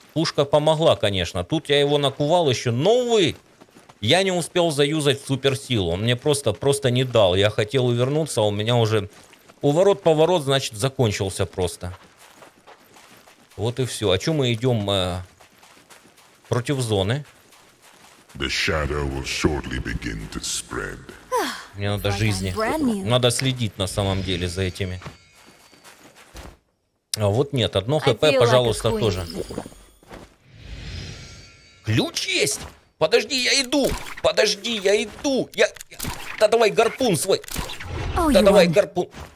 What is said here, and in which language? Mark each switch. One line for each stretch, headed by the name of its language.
Russian: Пушка помогла, конечно. Тут я его накувал еще, но увы. Я не успел заюзать суперсилу. Он мне просто не дал. Я хотел увернуться, а у меня уже уворот-поворот, значит, закончился просто. Вот и все. А что мы идем против зоны?
English: The shadow will shortly begin to spread.
Russian: Мне надо жизни. Надо следить на самом деле за этими. А вот нет, одно хп, пожалуйста, тоже. Ключ есть! Подожди, я иду. Да давай гарпун свой. Гарпун.